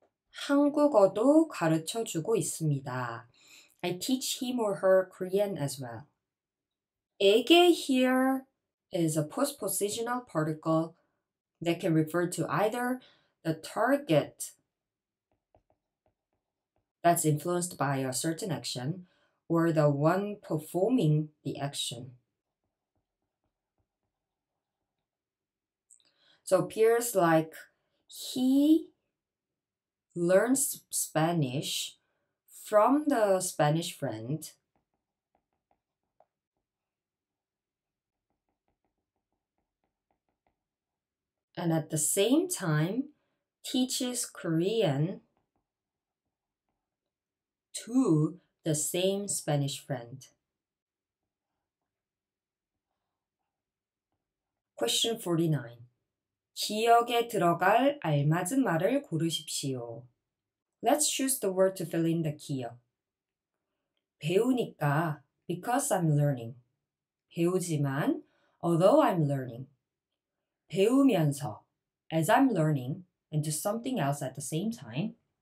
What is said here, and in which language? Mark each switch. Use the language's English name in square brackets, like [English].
[Korean] 한국어도 가르쳐 주고 있습니다. [English] I teach him or her Korean as well. 에게 here is a postpositional particle that can refer to either the target that's influenced by a certain action or the one performing the action. So it appears like he learns Spanish from the Spanish friend, and at the same time teaches Korean to the same Spanish friend. Question 49. [Korean] 기억에 들어갈 알맞은 말을 고르십시오. [English] Let's choose the word to fill in the 기억. [Korean] 배우니까, [English] because I'm learning. [Korean] 배우지만, [English] although I'm learning. [Korean] 배우면서, [English] as I'm learning, and do something else at the same time.